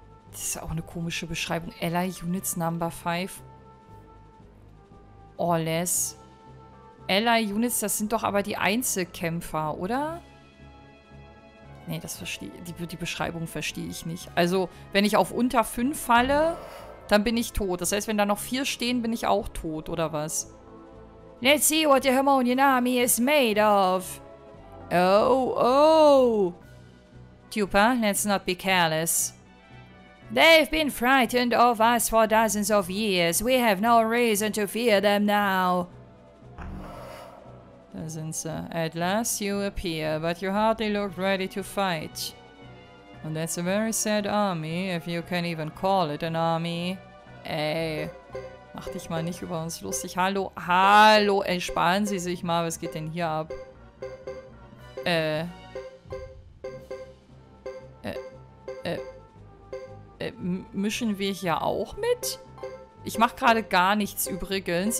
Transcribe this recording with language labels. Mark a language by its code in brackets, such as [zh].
[de] Das ist auch eine komische Beschreibung. [en] Ally units number 5 or less. [de] Ally units, das sind doch aber die Einzelkämpfer, oder? Nee, das verstehe ich. Die Beschreibung verstehe ich nicht. Also, wenn ich auf unter 5 falle, dann bin ich tot. Das heißt, wenn da noch 4 stehen, bin ich auch tot, oder was? [en] Let's see what the Harmonian army is made of. Oh, oh. Tupa, let's not be careless. They've been frightened of us for dozens of years. We have no reason to fear them now. [de] Da sind sie. [en] At last you appear, but you hardly look ready to fight. And that's a very sad army, if you can even call it an army. [de] Ey, mach dich mal nicht über uns lustig. Hallo, hallo, entspannen Sie sich mal. Was geht denn hier ab? Mischen wir hier auch mit? Ich mache gerade gar nichts übrigens.